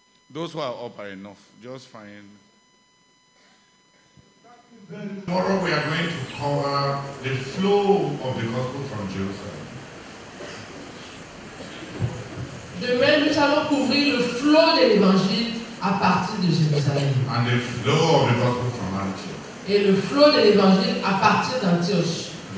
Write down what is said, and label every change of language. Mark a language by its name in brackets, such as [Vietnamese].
[English] Those who are up are enough. Just fine. Tomorrow we are going to cover the flow of the gospel from Jerusalem. [French] Demain nous allons couvrir le flow de l'évangile à partir de Jérusalem. [English] And the flow of the gospel from Antioch. [French] Et le flow de l'évangile à partir d'Antioche.